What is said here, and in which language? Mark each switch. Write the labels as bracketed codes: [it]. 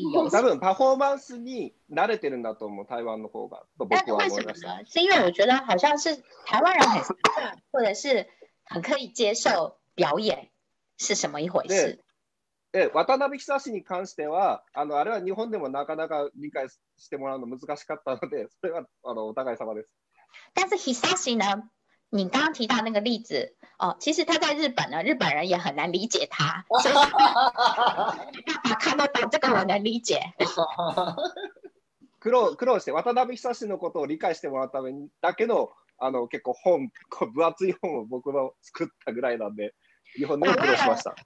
[ja] 多分パフォーマンスに慣れてるんだと思う、台湾の方が。 [zh] 但是为什么呢？是因为我觉得好像是台湾人很习惯，或者是很可以接受表演，是什么一回事？ [ja] 渡辺久志に関しては、あれは日本でもなかなか理解してもらうの難しかったので、それはお互い様です。 [zh] 但是久志呢？你刚刚提到那个例子哦，其实他在日本呢，日本人也很难理解他，所以没办法看得懂这个，我能理解。 [ja] 苦労して渡辺久志のことを理解してもらうためにだけの結構本こう分厚い本を僕も作ったぐらいなんで、日本でも苦労しました。